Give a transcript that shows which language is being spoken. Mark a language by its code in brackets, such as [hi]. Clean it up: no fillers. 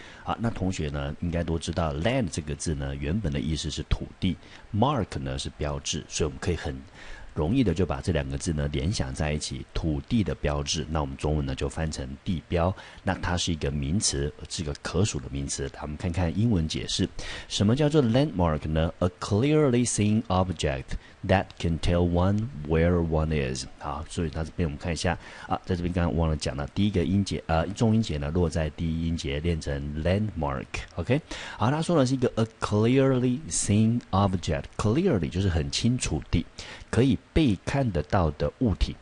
[zh] 好，那同学呢应该都知道 land 这个字呢原本的意思是土地， mark 呢是标志，所以我们可以很容易的就把这两个字呢联想在一起，土地的标志，那我们中文呢就翻成地标。那它是一个名词，是一个可数的名词。我们看看英文解释，什么叫做 landmark 呢？ [en] A clearly seen object that can tell one where one is。 [zh] 好，所以它这边我们看一下啊，在这边刚刚忘了讲了，第一个音节中音节呢落在第一音节，练成 landmark。 OK， 好，它说的是一个 [en] a clearly seen object， [zh] clearly 就是很清楚地，可以被看得到的物体。